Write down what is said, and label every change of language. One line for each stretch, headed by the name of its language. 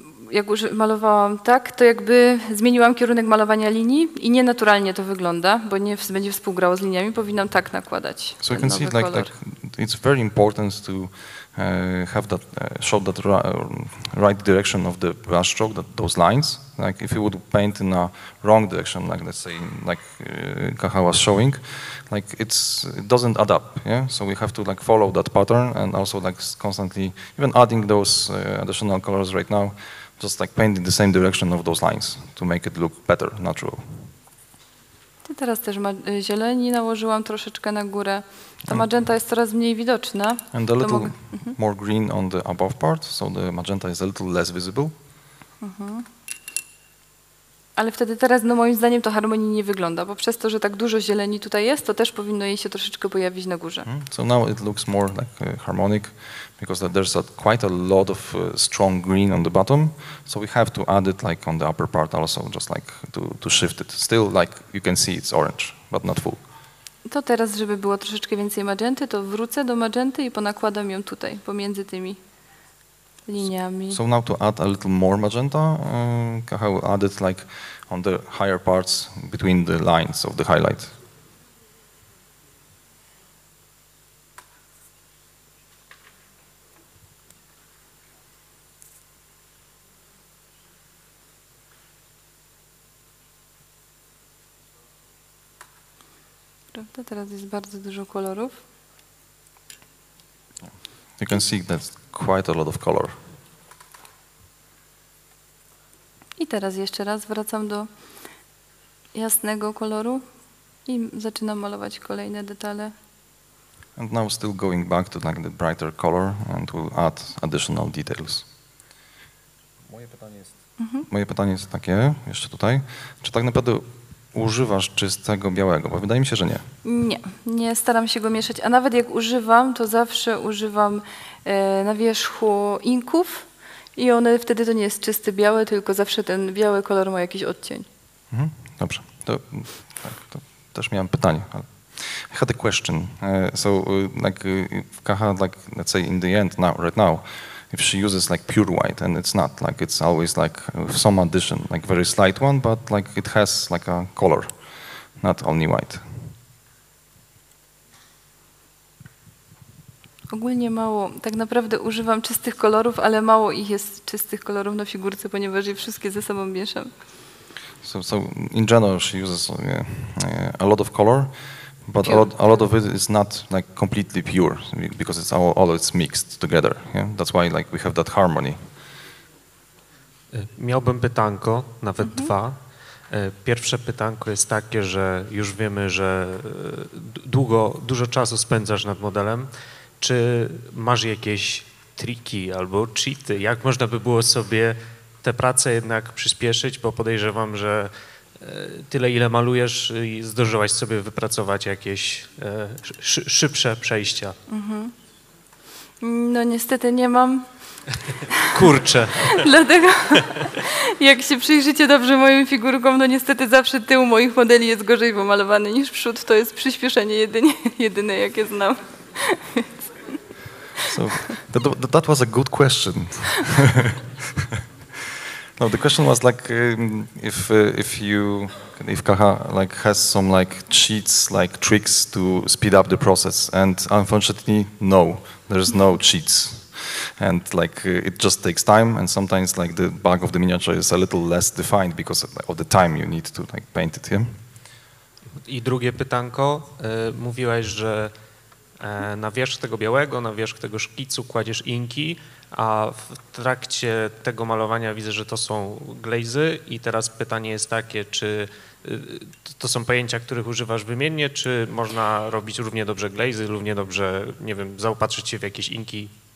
Polish: Jak już malowałam tak, to jakby zmieniłam kierunek malowania linii i nienaturalnie to wygląda, bo nie będzie współgrało z liniami, powinnam tak nakładać.
English: So you can see like it's very important to have that show that right direction of the brush stroke, that those lines. Like if you would paint in a wrong direction, like let's say like Kaha was showing, like it doesn't add up. Yeah, so we have to like follow that pattern and also like constantly even adding those additional colors right now, just like painting the same direction of those lines to make it look better, natural.
Polish: Ty teraz też zieleni nałożyłam troszeczkę na górę. Ta magenta jest coraz mniej widoczna.
English: And a little more green on the above part, so the magenta is a little less visible.
Polish: Ale wtedy teraz, no moim zdaniem, to harmonii nie wygląda, bo przez to, że tak dużo zieleni tutaj jest, to też powinno jej się troszeczkę pojawić na górze.
English: So now it looks more like harmonic, because there's quite a lot of strong green on the bottom, so we have to add it like on the upper part also, just like to shift it. Still, like you can see, it's orange, but not full.
Polish: To teraz, żeby było troszeczkę więcej magenty, to wrócę do magenty i ponakładam ją tutaj, pomiędzy tymi liniami.
English: So now to add a little more magenta, Kaha will add it like on the higher parts between the lines of the highlight.
Polish: Prawda? Teraz jest bardzo dużo kolorów.
English: You can see that's quite a lot of color.
Polish: I teraz jeszcze raz wracam do jasnego koloru i zaczynam malować kolejne detale.
English: And now still going back to like the brighter color and we'll add additional details.
Polish: Moje pytanie jest Moje pytanie jest takie, jeszcze tutaj. Czy tak naprawdę używasz czystego białego? Bo wydaje mi się, że nie. Nie, nie staram się go mieszać. A nawet jak używam, to zawsze używam na wierzchu inków i one wtedy to nie jest czysty biały, tylko zawsze ten biały kolor ma jakiś odcień. Mhm. Dobrze, to, tak, to też miałem pytanie. Ale...
English: I had a question. So, like, if Kaha, like, let's say in the end, now, right now, if she uses like pure white, and it's not, like, it's always like some addition, like very slight one, but like it has like a color, not only white.
Polish: Ogólnie mało. Tak naprawdę używam czystych kolorów, ale mało ich jest czystych kolorów na figurce, ponieważ je wszystkie ze sobą mieszam.
English: So in general, she uses a lot of color. But a lot of it is not like completely pure because it's all it's mixed together. Yeah? That's why like we have that harmony.
Polish: Miałbym pytanko, nawet dwa. Pierwsze pytanko jest takie, że już wiemy, że dużo czasu spędzasz nad modelem. Czy masz jakieś triki albo cheaty? Jak można by było sobie tę pracę jednak przyspieszyć, bo podejrzewam, że tyle, ile malujesz, i zdążyłaś sobie wypracować jakieś szybsze przejścia. No niestety nie mam. Kurczę. Dlatego jak się przyjrzycie dobrze moim figurkom, no niestety zawsze tył moich modeli jest gorzej pomalowany niż przód. To jest przyspieszenie jedyne, jakie znam.
English: So, that was a good question. No, the question was like if Kaha like has some like cheats, like tricks to speed up the process, and unfortunately no, there is no cheats, and like it just takes time, and sometimes like the bulk of the miniature is a little less defined because of the time you need to like paint it. Yeah?
Polish: I drugie pytanko, mówiłaś, że na wierzch tego białego, na wierzch tego szkicu kładziesz inki, a w trakcie tego malowania widzę, że to są glazy, i teraz pytanie jest takie, czy to są pojęcia, których używasz wymiennie, czy można robić równie dobrze glazy, równie dobrze, nie wiem, zaopatrzyć się w jakieś inki?